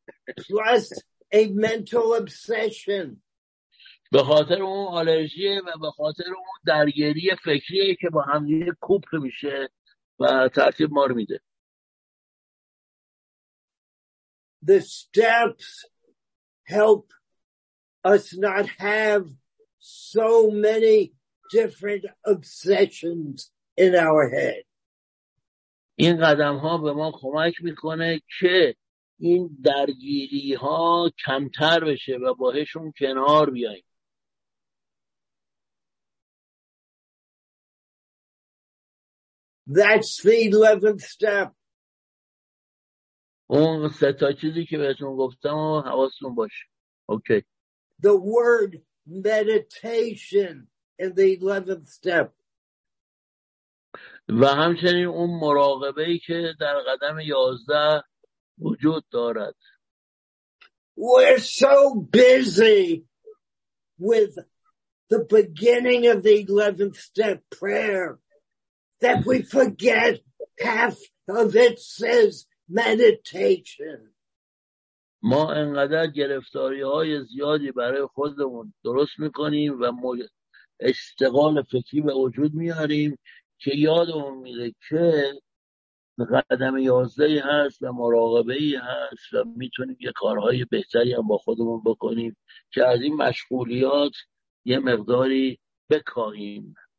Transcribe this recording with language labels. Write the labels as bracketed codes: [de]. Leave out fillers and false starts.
[en] Plus a mental obsession. [fa] به خاطر اون آلرژیه و به خاطر اون درگیری فکریه که با هم دیگه کوپ میشه و ترتیب مار میده. [en] The steps help us not have so many different obsessions in our head. [fa] این قدم ها به ما کمک میکنه که این درگیری ها کمتر بشه و باهشون کنار بیاییم. [en] That's the 11th step. [fa] اون سه تا چیزی که بهتون گفتم و حواستون باشه. [en] Okay. The word meditation in the 11th step. [fa] و همچنین اون مراقبه ای که در قدم 11 وجود دارد. [en] We're so busy with the beginning of the 11th step prayer that we forget half of it says meditation. [fa] ما انقدر گرفتاری های زیادی برای خودمون درست میکنیم و اشتغال فکری به وجود میاریم که یادمون میره که قدم 11 هست و مراقبه ای هست و میتونیم یه کارهای بهتری هم با خودمون بکنیم که از این مشغولیات یه مقداری بکاهیم.